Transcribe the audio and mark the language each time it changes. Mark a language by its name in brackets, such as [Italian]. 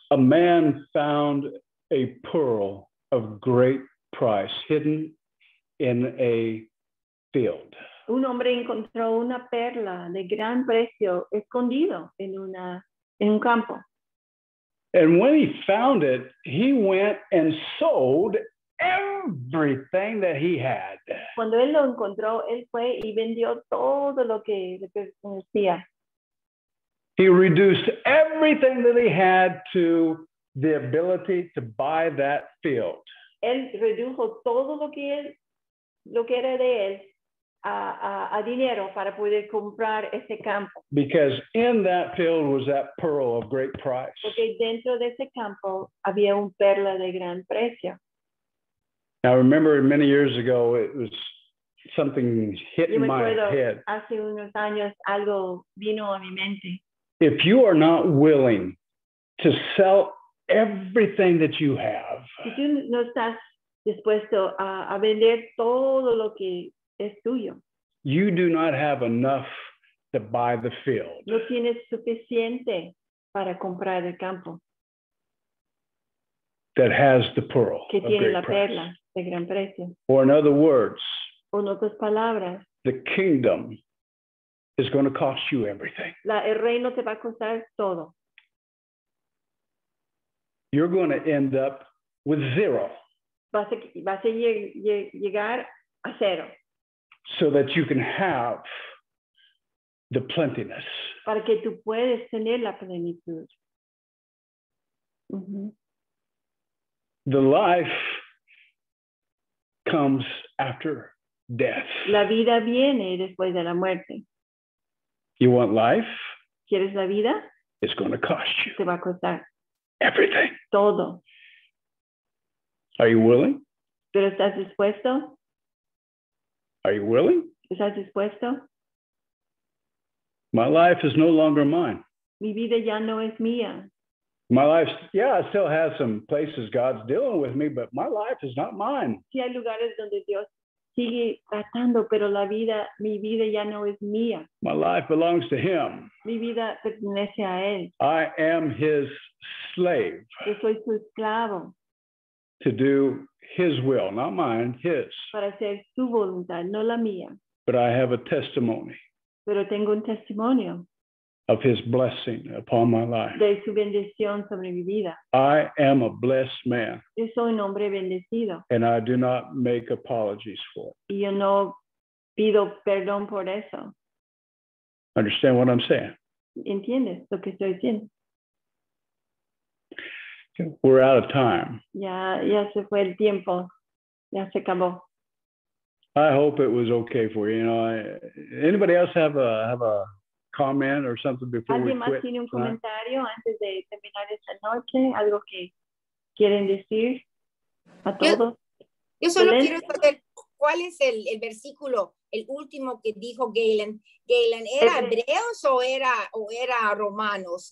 [English] A man found a pearl of great price hidden in a field. [Spanish] Un hombre encontró una perla de gran precio escondido en un campo. [English] And when he found it, he went and sold everything that he had. [Spanish] Cuando él lo encontró, él fue y vendió todo lo que le pertenecía. [English] He reduced everything that he had to the ability to buy that field. [Spanish] Él redujo todo lo que era de él a dinero para poder comprar ese campo. [English] Because in that field was that pearl of great price. [Spanish] Porque dentro de ese campo había un perla de gran precio. [English] Now I remember many years ago it was something hit [Spanish] yo me [English] my [Spanish] acuerdo, [English] head. [Spanish] Hace unos años algo vino a mi mente. [English] If you are not willing to sell everything that you have, [Spanish] si tú no estás dispuesto a vender todo lo que es tuyo, [English] you do not have enough to buy the field. [Spanish] No tienes suficiente para comprar el campo. [English] That has the pearl. [Spanish] Que tiene [English] of [Spanish] la [English] great [Spanish] perla [English] price. [Spanish] De gran precio. [English] Or in other words, [Spanish] o en otras palabras, [English] the kingdom is going to cost you everything. [Spanish] El reino te va a costar todo. [English] You're going to end up with zero. [Spanish] Vas a llegar a cero. [English] So that you can have the plentiness. [Spanish] Para que tú puedas tener la plenitud. [English] The life comes after death. [Spanish] La vida viene después de la muerte. [English] You want life? [Spanish] ¿Quieres la vida? [English] It's going to cost you. [Spanish] Te va a costar. [English] Everything. [Spanish] Todo. [English] Are you willing? [Spanish] ¿Pero estás dispuesto? [English] Are you willing? [Spanish] ¿Estás dispuesto? [English] My life is no longer mine. [Spanish] Mi vida ya no es mía. [English] My life, yeah, I still have some places God's dealing with me, but my life is not mine. [Spanish] Sí, hay lugares donde Dios sigue tratando, pero la vida, mi vida ya no es mía. [English] My life belongs to him. [Spanish] Mi vida pertenece a él. [English] I am his slave. [Spanish] Yo soy su esclavo. [English] To do his will, not mine, his. [Spanish] Para hacer su voluntad, no la mía. [English] But I have a testimony. [Spanish] Pero tengo un testimonio. [English] Of his blessing upon my life. [Spanish] De su bendición sobre mi vida. [English] I am a blessed man. [Spanish] Yo soy un hombre bendecido. [English] And I do not make apologies for it. [Spanish] Y yo no pido perdón por eso. [English] Understand what I'm saying? [Spanish] ¿Entiendes lo que estoy diciendo? [English] We're out of time. [Spanish] Ya se fue el tiempo. Ya se acabó. [English] I hope it was okay for you. You know, anybody else have a comment or something before we quit? [Spanish] ¿Tiene un comentario antes de terminar esta noche? ¿Algo que quieren decir a todos? Yo solo quiero saber cuál es el versículo, el último que dijo Galen. Galen, ¿era Hebreos o era Romanos?